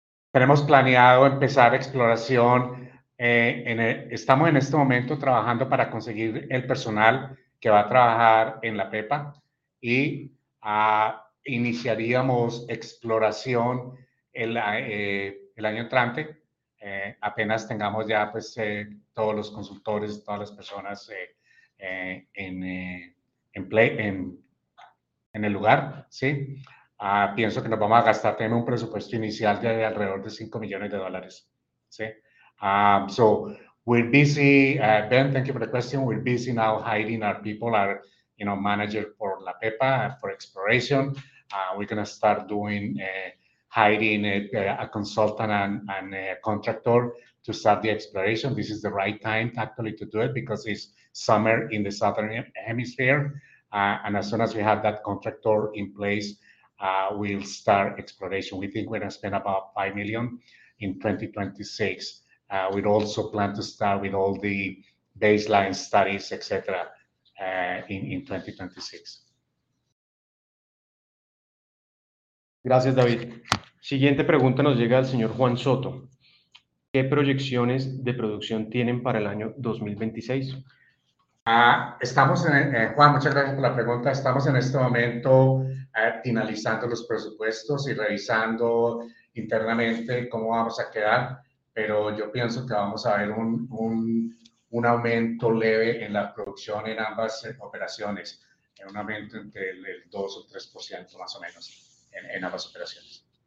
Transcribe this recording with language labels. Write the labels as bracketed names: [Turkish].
[Spanish] Tenemos planeado empezar exploración. Estamos en este momento trabajando para conseguir el personal que va a trabajar en la PEPA y iniciaríamos exploración el año entrante, apenas tengamos ya pues, todos los consultores, todas las personas en el lugar, ¿sí? Pienso que nos vamos a gastar en un presupuesto inicial de alrededor de 5 millones de dólares, ¿sí? [English] So, we're busy, Ben, thank you for the question. We're busy now hiring our people, our, you know, manager for La Pepa, for exploration. We're going to start doing hiring a consultant and a contractor to start the exploration. This is the right time actually to do it because it's summer in the southern hemisphere. And as soon as we have that contractor in place, we'll start exploration. We think we're going to spend about $5 million in 2026. We'd also plan to start with all the baseline studies, et cetera, in 2026. [Spanish] Gracias, David. Siguiente pregunta nos llega del señor Juan Soto. ¿Qué proyecciones de producción tienen para el año 2026? Juan, muchas gracias por la pregunta. Estamos en este momento finalizando los presupuestos y revisando internamente cómo vamos a quedar, pero yo pienso que vamos a ver un aumento leve en la producción en ambas operaciones, en un aumento entre el 2 o 3% más o menos en ambas operaciones.